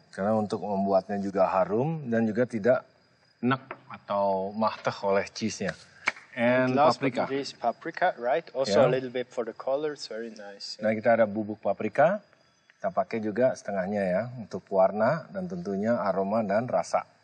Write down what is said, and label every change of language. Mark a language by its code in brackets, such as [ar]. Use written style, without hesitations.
[id] Karena untuk membuatnya juga harum dan juga tidak nek atau mahteh oleh cheese-nya. [en] And last paprika. But not least, paprika, right? Also a little bit for the color, it's very nice. [id] Yeah. Nah, kita ada bubuk paprika. Kita pakai juga setengahnya ya, untuk warna dan tentunya aroma dan rasa.